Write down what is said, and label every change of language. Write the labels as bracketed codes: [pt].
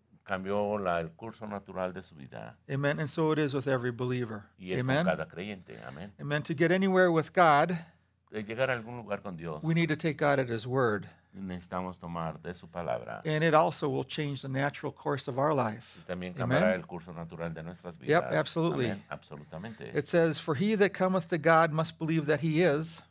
[es] Cambió el curso natural de su vida. [en] Amen. And so it is with every believer. [es] Y es amen. Con cada creyente. Amen. [en] Amen. To get anywhere with God, [es] de llegar a algún lugar con Dios, [en] we need to take God at his word. [es] Necesitamos tomar de su palabra. [en] And it also will change the natural course of our life. [es] Y también cambiará el curso natural de nuestras vidas. [en] Yep, absolutely. [es] Amen. Absolutamente. [en] It says, For he that cometh to God must believe that he is.